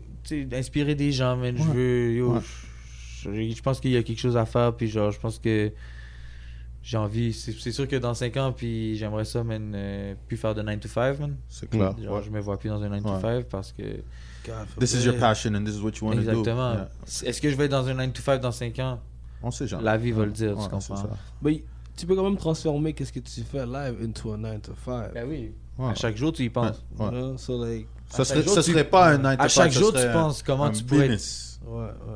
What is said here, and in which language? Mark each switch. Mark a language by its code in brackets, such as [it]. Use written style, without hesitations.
[fr] D'inspirer des gens, mais je veux. Yo, je pense qu'il y a quelque chose à faire, puis genre, je pense que j'ai envie. C'est sûr que dans 5 ans, puis j'aimerais ça, man, plus faire de 9-to-5, man. C'est clair. Genre, je me vois plus dans un 9-to-5 parce que. [en] God, this is your passion and this is what you want to do. [fr] Exactement. [en] Yeah. [fr] Est-ce que je vais être dans un 9-to-5 dans 5 ans? On sait jamais. La vie va le dire, tu comprends. Mais tu peux quand même transformer qu'est-ce que tu fais live [en] into a 9-to-5. [fr] Ben oui. À chaque jour, tu y penses. Ouais. [en] You know? So, like. [fr] Ce serait pas un à chaque jour tu penses comment tu pourrais être... ouais.